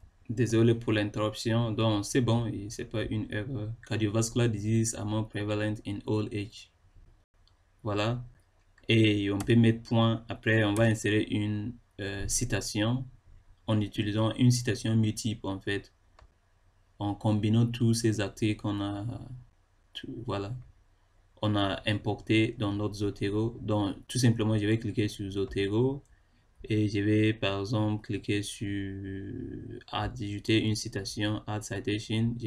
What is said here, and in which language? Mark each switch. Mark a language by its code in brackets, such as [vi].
[fr] Désolé pour l'interruption. Donc, c'est bon, c'est pas une œuvre. [en] Cardiovascular disease are more prevalent in old age. [fr] Voilà. Et on peut mettre point. Après, on va insérer une citation en utilisant une citation multiple, en fait. En combinant tous ces articles qu'on a. Voilà. On a importé dans notre Zotero. Donc, tout simplement, je vais cliquer sur Zotero et je vais par exemple cliquer sur ajouter une citation, [en] add citation.